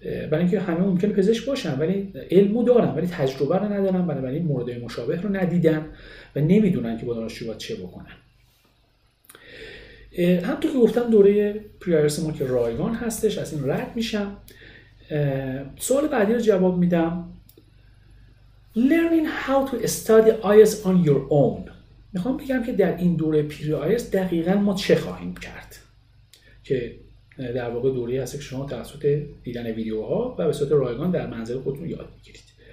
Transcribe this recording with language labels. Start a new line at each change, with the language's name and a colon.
Persian: برای اینکه همه ممکنه پزشک باشن ولی علمو دارن ولی تجربه رو ندارن، بنابراین مورد مشابه رو ندیدن و نمیدونن که با دانشجو باید چه بکنن. همطور که گفتم دوره پریایرس ما که رایگان هستش از این رد میشم. سوال بعدی رو جواب میدم.
English: Learning how to study IELTS on your own.
Persian: میخوام بگم که در این دوره پریایرس دقیقا ما چه خواهیم کرد که در واقع دوره‌ای هست که شما توسط دیدن ویدیوها و به صورت رایگان در منزل خودتون یاد می‌گیرید.